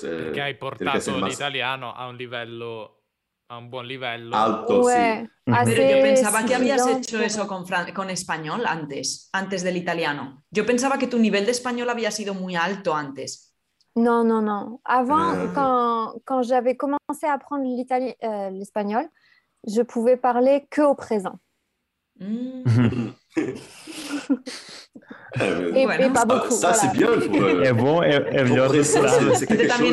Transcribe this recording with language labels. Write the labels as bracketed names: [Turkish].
[Italian] perché hai portato l'italiano a un livello, a un buon livello. [Spanish] Alto, sí. Pero yo pensaba que habías hecho eso con español antes del italiano. Yo pensaba que tu nivel de español había sido muy alto antes. No. [French] Avant, quand j'avais commencé a apprendre l'espagnol, je pouvais parler que au présent. Mmh. et bueno, pas beaucoup. Ça, voilà. C'est bien. Et bon, et bien. C'est quelque chose